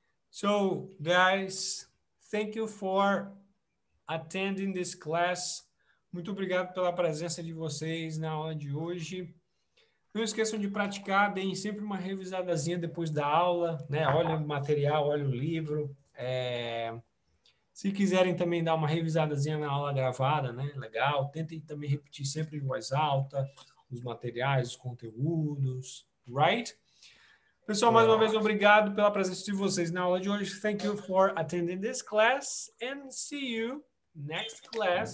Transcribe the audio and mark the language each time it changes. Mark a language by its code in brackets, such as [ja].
[en] So, guys, thank you for attending this class. [pt] Muito obrigado pela presença de vocês na aula de hoje. Não esqueçam de praticar, deem sempre uma revisadazinha depois da aula, né? Olha o material, olha o livro. Se quiserem também dar uma revisadazinha na aula gravada, né? Legal. Tentem também repetir sempre em voz alta os materiais, os conteúdos, right? Pessoal, mais uma vez, obrigado pela presença de vocês na aula de hoje. [en] Thank you for attending this class and see you next class.